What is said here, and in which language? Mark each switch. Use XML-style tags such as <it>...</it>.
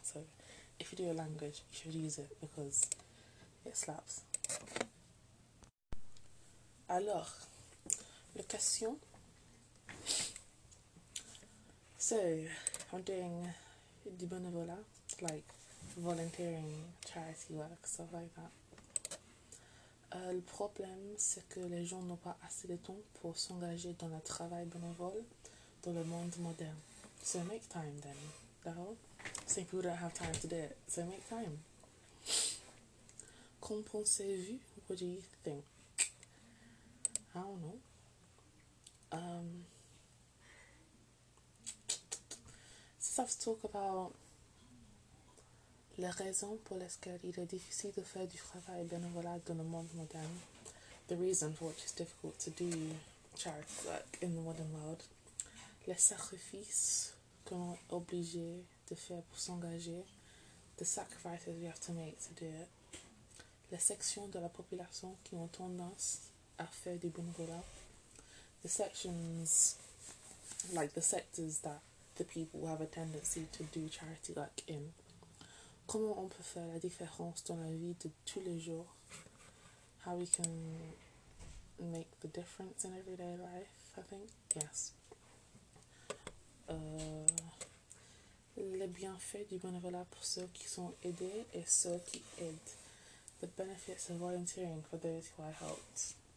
<en>So, if you do a language, you should use it because it slaps.</en> <fr>Alors, la question.</fr> <en>So, I'm doing</en> <fr>du bénévolat,</fr> <en>like volunteering, charity work, stuff like that.</en> <fr>Le problème, c'est que les gens n'ont pas assez de temps pour s'engager dans le travail bénévole dans le monde moderne.</fr> <en>So make time then,</en> <fr>d'accord?</fr> <en>Some people don't have time to do it, so make time.</en> <fr>Qu'en pensez-vous?</fr> <en>What do you think? I don't know. So I have to talk about</en> <fr>les raisons pour lesquelles il est difficile de faire du travail bénévolat dans le monde moderne.</fr> <en>The reason for which it's difficult to do charity work in the modern world.</en> <fr>Les sacrifices qu'on est obligé de faire pour s'engager.</fr> <en>The sacrifices we have to make to do it.</en> <fr>Les sections de la population qui ont tendance à faire du bénévolat.</fr> <en>The sections, like the sectors that the people have a tendency to do charity work in.</en> <fr>Comment on peut faire la différence dans la vie de tous les jours?</fr> <en>How we can make the difference in everyday life, I think. Yes.</en> <fr>Les bienfaits du bénévolat pour ceux qui sont aidés et ceux qui aident.</fr> <en>The benefits of volunteering for those who are helped.</en>